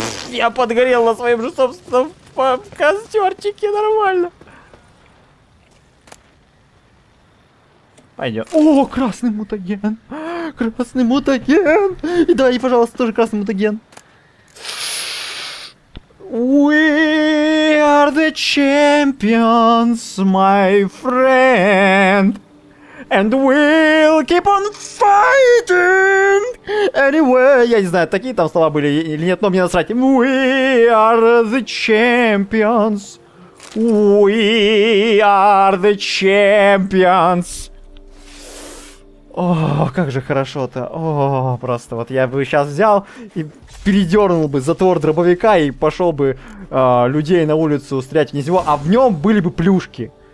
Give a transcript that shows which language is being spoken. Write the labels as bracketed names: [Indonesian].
[Russian] Я подгорел на своем же собственном костерчике нормально. Пойдем. О, красный мутаген! Красный мутаген! И давай, пожалуйста, тоже красный мутаген. [English] We are the champions, my friend. And we'll keep on fighting! Anyway, [Russian] я не знаю, такие там слова были или нет, но мне насрать. [English] We are the champions. We are the champions. [Russian] О, как же хорошо-то. О, просто вот я бы сейчас взял и передернул бы затвор дробовика и пошел бы людей на улицу стрелять вниз его, а в нем были бы плюшки.